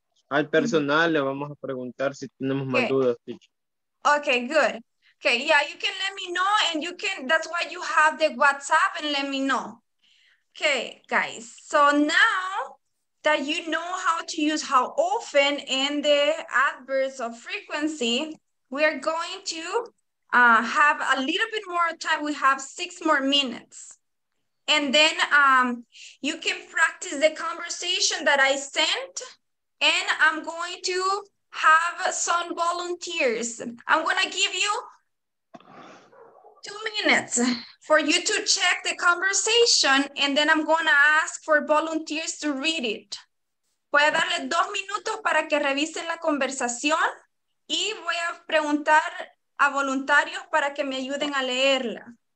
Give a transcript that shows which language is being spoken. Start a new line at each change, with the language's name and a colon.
Spanish: Al personal, le vamos a preguntar si tenemos más dudas.
English: Okay, good. Okay, yeah, you can let me know and you can, that's why you have the WhatsApp and let me know. Okay, guys, so now that you know how to use how often and the adverbs of frequency, we are going to have a little bit more time. We have 6 more minutes. And then you can practice the conversation that I sent. And I'm going to have some volunteers. I'm going to give you 2 minutes for you to check the conversation. And then I'm going to ask for volunteers to read it.
Spanish: Voy a darle 2 minutos para que revisen la conversación. Y voy a preguntar a voluntarios para que me ayuden a leerla.